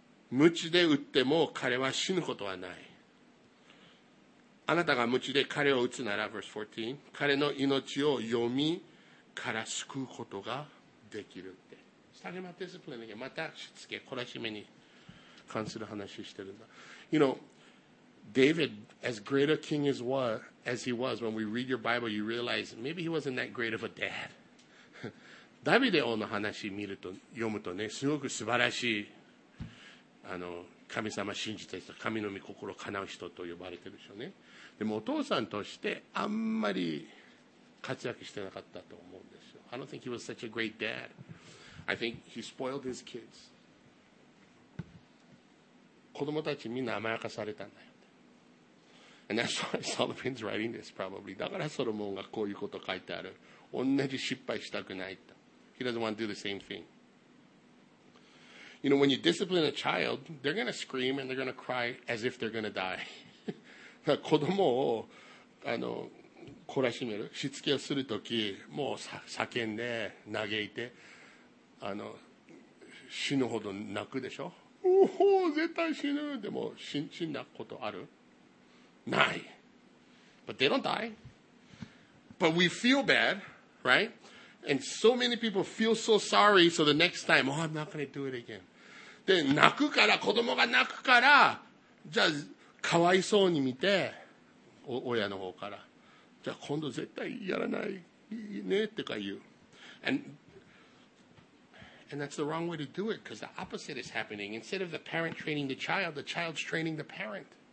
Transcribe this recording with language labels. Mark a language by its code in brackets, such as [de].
[ja] 鞭で打っても彼は死ぬことはない。あなたが鞭で彼を打つなら、 [en] verse 14、 [ja] 彼の命を読みから救うことができるって。下げまってすっぷりなきゃ、またしつけ、懲らしめに関する話してるんだ。 [en] You know, David, as great a king as he was, when we read your Bible, you realize maybe he wasn't that great of a dad. [ja] ダビデ王の話見ると読むとね、すごく素晴らしい、あの神様信じた人、神の御心を叶う人と呼ばれてるでしょうね。でもお父さんとしてあんまり活躍してなかったと思うんですよ。 [en] I don't think he was such a great dad. I think he spoiled his kids. [ja] 子供たちみんな甘やかされたんだよ。 [en] And that's why Solomon's writing this probably. [ja] だからソロモンがこういうこと書いてある。同じ失敗したくないと。 [en] He doesn't want to do the same thing. You know, when you discipline a child, they're going to scream and they're going to cry as if they're going to die. [ja] 子供をあの懲らしめる、しつけをするとき、もう叫んで、嘆いて、あの死ぬほど泣くでしょ。うほー、絶対死ぬ。でも、死んだことある？ない。 [en] But they don't die. But we feel bad, right? And so many people feel so sorry, so the next time, oh, I'm not going to do it again. [ja] で、泣くから、子供が泣くから、じゃあ、かわいそうに見て、親の方から。じゃあ、今度絶対やらないねってか言う。 [en] And that's the wrong way to do it, because the opposite is happening. Instead of the parent training the child's training the parent.